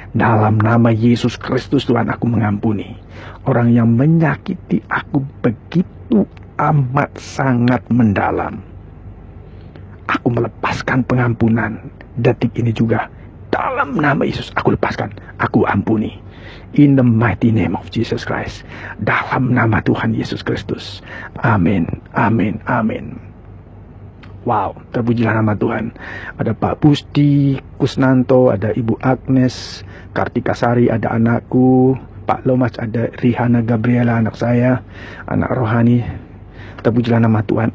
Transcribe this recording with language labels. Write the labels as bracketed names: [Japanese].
[Indonesian] Dalam nama Yesus Kristus Tuhan, aku mengampuni orang yang menyakiti aku begitu amat sangat mendalam. Aku melepaskan pengampunan detik ini juga. Dalam nama Yesus, aku lepaskan, aku ampuni. [English] In the mighty name of Jesus Christ. [Indonesian] Dalam nama Tuhan Yesus Kristus. Amin, amin, amin. Wow, terpujilah nama Tuhan. Ada Pak Pusti Kusnanto, ada Ibu Agnes Kartika Sari, ada anakku Pak Lomas, ada Rihana Gabriela, anak saya, anak rohani. Terpujilah nama Tuhan.